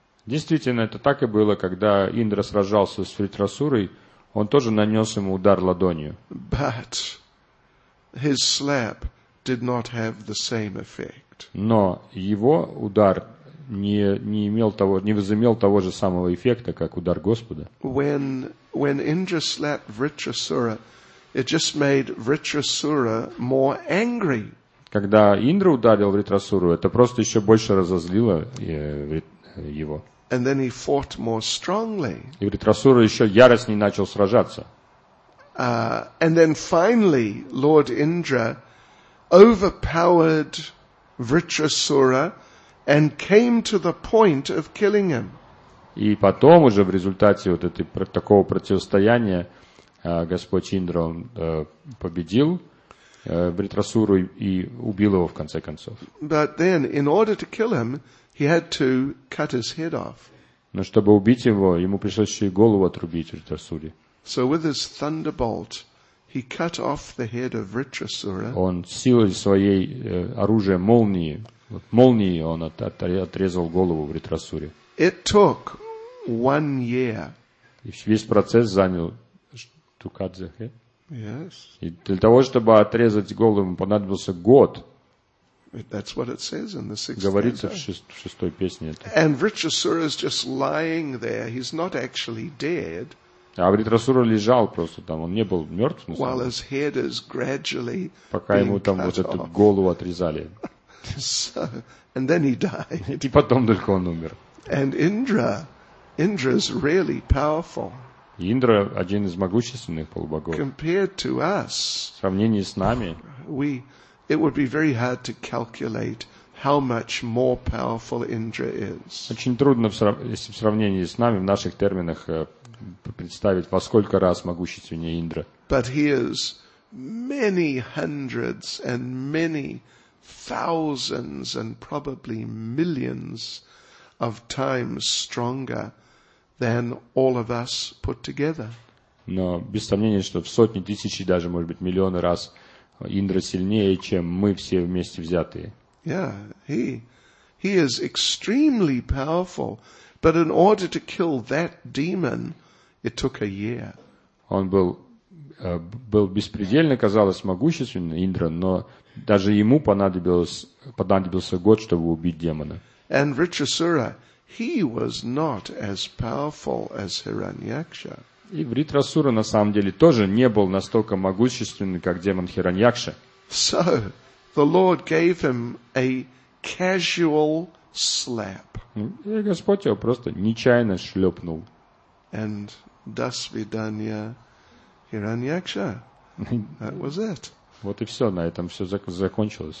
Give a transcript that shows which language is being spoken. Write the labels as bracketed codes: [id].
[ru] Действительно, это так и было, когда Индра сражался с Вритрасурой, он тоже нанес ему удар ладонью. [en] But his slap did not have the same effect. [ru] Но его удар не возымел того же самого эффекта, как удар Господа. [en] When Indra slapped Vritrasura, it just made Vritrasura more angry. [ru] Когда Индра ударил Вритрасуру, это просто еще больше разозлило его. [en] And then he fought more strongly. [ru] И Вритрасура еще яростнее начал сражаться. [en] And then finally, Lord Indra overpowered Vritrasura and came to the point of killing him. [ru] И потом уже в результате вот такого противостояния Господь Индра победил Бритрасуру и убил его в конце концов. [en] But then, in order to kill him, he had to cut his head off. [ru] Но чтобы убить его, ему пришлось еще и голову отрубить Бритрасуре. [en] So with his thunderbolt, he cut off the head of Vritrasura. [ru] Он силой своей оружия молнии, вот молнии он отрезал голову Бритрасуре. [en] It took 1 year. [ru] И весь процесс занял [en] to cut the head. Yes. [ru] И для того, чтобы отрезать голову, понадобился год. [en] That's what it says in the sixth song. [ru] Говорится в шестой песне. [en] And Vritrasura is just lying there. He's not actually dead. [ru] А Вритрасура лежал просто там. Он не был мертв. [en] While his head is gradually being cut off. [ru] Пока ему там вот эту голову отрезали. [en] So, and then he died. [ru] И потом только он умер. [en] And Indra is really powerful. [ru] Индра один из могущественных полубогов. [en] Compared to us, [ru] в сравнении с нами, [en] it would be very hard to calculate how much more powerful Indra is. [ru] Очень трудно в сравнении с нами в наших терминах представить, во сколько раз могущественнее Индра. [en] But he is many hundreds and many thousands and probably millions of times stronger than all of us put together. [ru] Но без сомнения, что в сотни, тысячи, даже, может быть, миллионы раз Индра сильнее, чем мы все вместе взятые. [en] Yeah, he is extremely powerful, but in order to kill that demon, it took a year. [ru] Он был беспредельно, казалось, могущественный Индра, но даже ему понадобился год, чтобы убить демона. [en] And Vritrasura, he was not as powerful as Hiranyaksha. [ru] И Вритрасура на самом деле тоже не был настолько могущественным, как демон Хираньякша. [en] So the Lord gave him a casual slap. [ru] И Господь его просто нечаянно шлепнул. [en] And [ru] до свидания, Хираньякша. [en] That was it. [ru] Вот и все, на этом все закончилось.